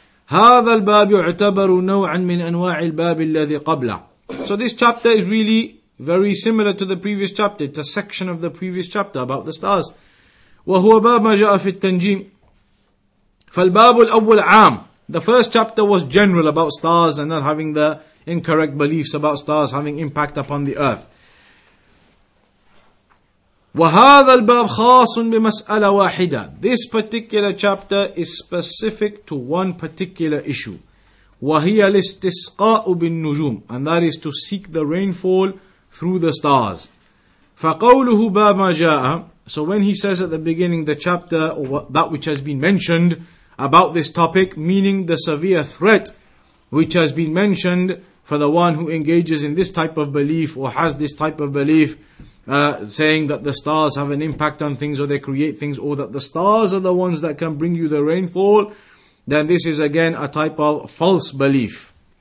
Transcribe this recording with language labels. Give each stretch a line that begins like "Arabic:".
Arabic: هذا الباب يعتبر نوعا من أنواع الباب الذي قبله.
English: So this chapter is really very similar to the previous chapter. It's a section of the previous chapter about the stars.
Arabic: وهو باب ما جاء في التنجيم. فالباب الأول عام.
English: The first chapter was general about stars and not having the incorrect beliefs about stars having impact upon the earth.
Arabic: وهذا الباب خاص بمسألة واحدة.
English: This particular chapter is specific to one particular issue.
Arabic: وهي الاستسقاء بالنجوم.
English: And that is to seek the rainfall through the stars.
Arabic: فقوله باب ما جاء.
English: So when he says at the beginning the chapter or that which has been mentioned about this topic, meaning the severe threat which has been mentioned for the one who engages in this type of belief or has this type of belief, saying that the stars have an impact on things or they create things or that the stars are the ones that can bring you the rainfall, then this is again a type of false belief.